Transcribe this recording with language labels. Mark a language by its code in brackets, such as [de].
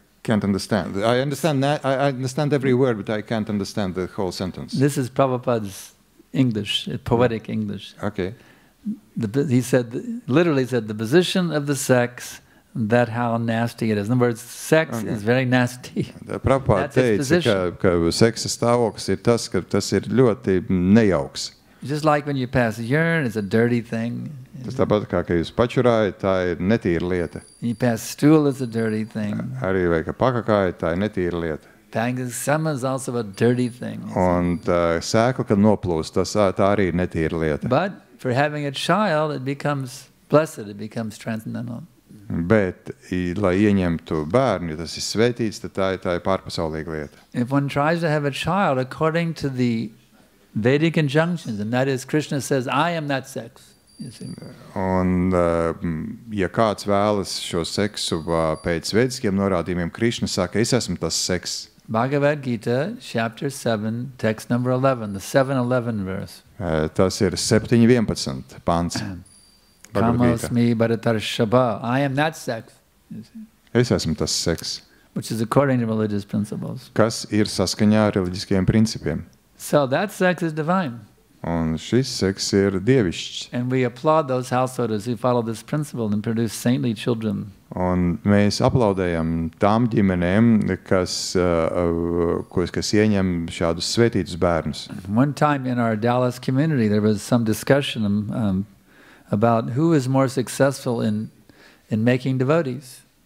[en] I understand every word, but I can't understand the whole sentence. This is Prabhupada's English, poetic English. Okay. He literally said, the position of the sex, that how nasty it is. In other words, sex okay. is very nasty. [lv] Prabhupāda teica, ka seksa stāvoklis ir tas, ka tas ir ļoti nejauks. [en] Just like when you pass urine, it's a dirty thing. [lv] Tas tāpat kā, ka jūs pačurājat, tā ir netīra lieta. [en] You pass stool, it's a dirty thing. [lv] Arī vai ka pakakājat, tā ir netīra lieta. [en] Sama is also a dirty thing. [lv] Un sēkla, kad noplūst, tā arī ir netīra lieta. [en] But for having a child, it becomes blessed, it becomes transcendental. [lv] Bet, lai ieņemtu bērnu, ja tas ir svētīts, tad tā ir pārpasaulīga lieta. [en] If one tries to have a child according to the Vedic injunctions, and that is Krishna says, I am that sex. [lv] Un, ja kāds vēlas šo seksu pēc vediskiem norādījumiem, Krišna saka, es esmu tas seks. [en] Bhagavad Gita, chapter 7, text number 11, the 7-11 verse. [lv] Tas ir 7-11 pants. [sa] Kamas mi baratar shabha. [en] I am that sex. [lv] Es esmu tas seks. [en] Which is according to religious principles. [lv] Kas ir saskaņā ar reliģiskajiem principiem. [en] So that sex is divine. [lv] Un šis seks ir dievišķs. [en] And we applaud those householders who follow this principle and produce saintly children. [lv] Un mēs aplaudējam tām ģimenēm, kas ieņem šādus svētītus bērnus. [en] One time in our Dallas community there was some discussion about who is more successful in making devotees.